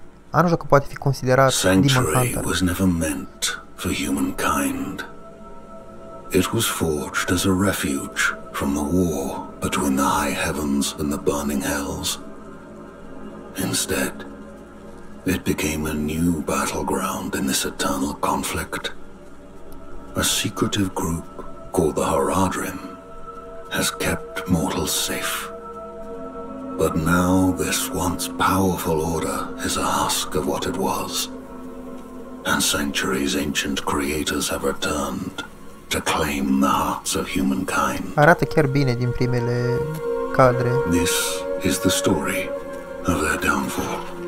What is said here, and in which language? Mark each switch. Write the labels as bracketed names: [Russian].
[Romanian] A, nu știu că poate fi considerat Demon Hunter. [English] Was never meant for humankind. It was forged as a refuge from the war between the high heavens and the burning hells. Instead, it became a new battleground in this eternal conflict. A secretive group called the Haradrim has kept mortals safe. But now this once powerful order is a husk of what it was. And Sanctuary's ancient creators have returned to claim the hearts of humankind. [Romanian] Arată chiar bine din primele cadre. [English] This is the story of their downfall.